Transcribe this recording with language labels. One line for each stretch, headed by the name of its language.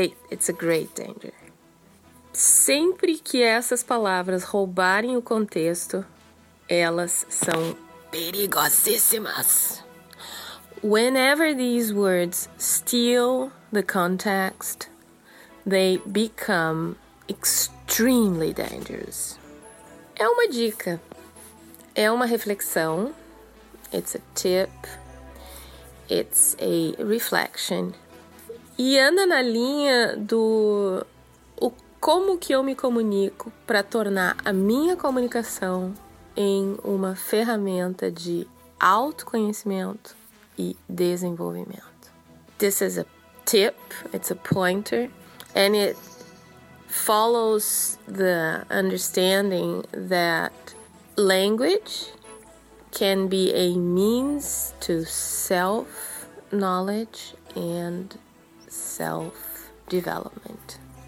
English: It's a great danger.
Portuguese: Sempre que essas palavras roubarem o contexto, elas são perigosíssimas.
English: Whenever these words steal the context, they become extremely dangerous.
Portuguese: É uma dica. É uma reflexão.
English: It's a tip. It's a reflection.
Portuguese: E anda na linha do como que eu me comunico para tornar a minha comunicação em uma ferramenta de autoconhecimento e desenvolvimento.
English: This is a tip, it's a pointer, and it follows the understanding that language can be a means to self-knowledge and self-development.